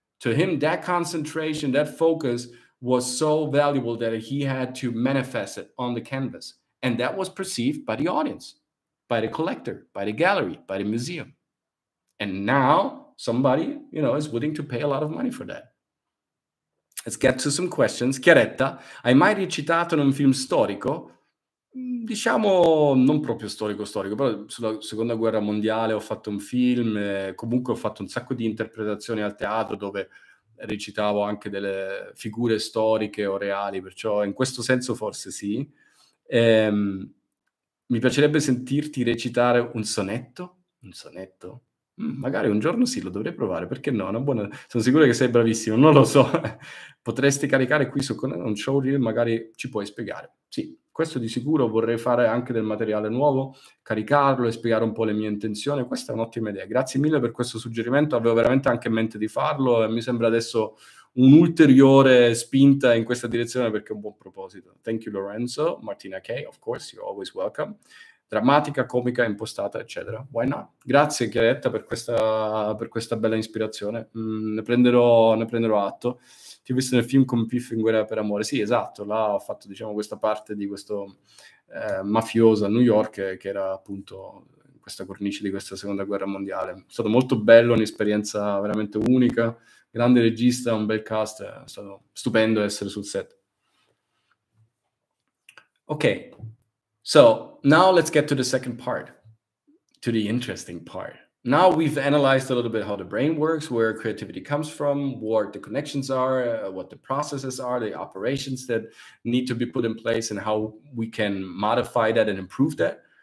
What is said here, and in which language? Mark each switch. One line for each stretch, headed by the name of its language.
English: To him, that concentration, that focus was so valuable that he had to manifest it on the canvas. And that was perceived by the audience, by the collector, by the gallery, by the museum. And now somebody, you know, is willing to pay a lot of money for that. Let's get to some questions.
Italian: Chiaretta, hai mai recitato in un film storico? Diciamo non proprio storico, però sulla Seconda Guerra Mondiale ho fatto un film, comunque ho fatto un sacco di interpretazioni al teatro dove recitavo anche delle figure storiche o reali, perciò in questo senso forse sì. Mi piacerebbe sentirti recitare un sonetto? Magari un giorno sì, lo dovrei provare, perché no? Sono sicuro che sei bravissimo, non lo so. Potresti caricare qui su un showreel, magari ci puoi spiegare. Sì, questo di sicuro vorrei fare anche del materiale nuovo, caricarlo e spiegare un po' le mie intenzioni. Questa è un'ottima idea. Grazie mille per questo suggerimento, avevo veramente anche in mente di farlo e mi sembra adesso un'ulteriore spinta in questa direzione, perché è un buon proposito.
English: Thank you Lorenzo, Martina K, of course, you're always welcome.
Italian: Drammatica, comica, impostata, eccetera.
English: Why not?
Italian: Grazie Chiaretta per questa bella ispirazione. Ne prenderò atto. Ti ho visto nel film con Piff in guerra per amore. Sì, esatto, là ho fatto, diciamo, questa parte di questo mafioso a New York che era appunto in questa cornice di questa Seconda Guerra Mondiale. È stato molto bello, un'esperienza veramente unica. Grande regista, un bel cast, è stato stupendo essere sul set. Ok.
English: So, now let's get to the second part, to the interesting part. Now we've analyzed a little bit how the brain works, where creativity comes from, what the connections are, what the processes are, the operations that need to be put in place, and how we can modify that and improve that.